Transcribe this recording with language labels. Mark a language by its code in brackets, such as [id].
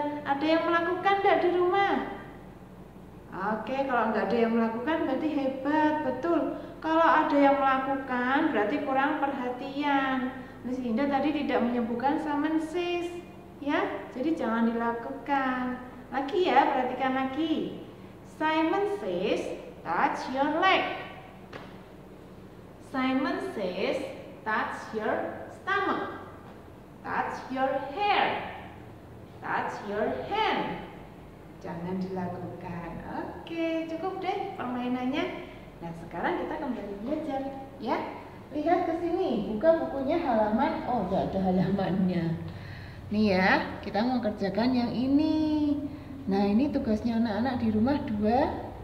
[id] Ada yang melakukan enggak di rumah? Oke, kalau enggak ada yang melakukan berarti hebat, betul. Kalau ada yang melakukan berarti kurang perhatian. Miss Linda tadi tidak menyebutkan summon sis ya, jadi jangan dilakukan. Lagi ya, perhatikan lagi. [en] Simon says, touch your leg. Simon says, touch your stomach. Touch your hair. Touch your hand. [id] jangan dilakukan. Oke, cukup deh permainannya. Nah, sekarang kita kembali belajar ya. Lihat ke sini, buka bukunya halaman. Oh, enggak ada halamannya. Nih ya, kita mau kerjakan yang ini. Nah, ini tugasnya anak-anak di rumah 2.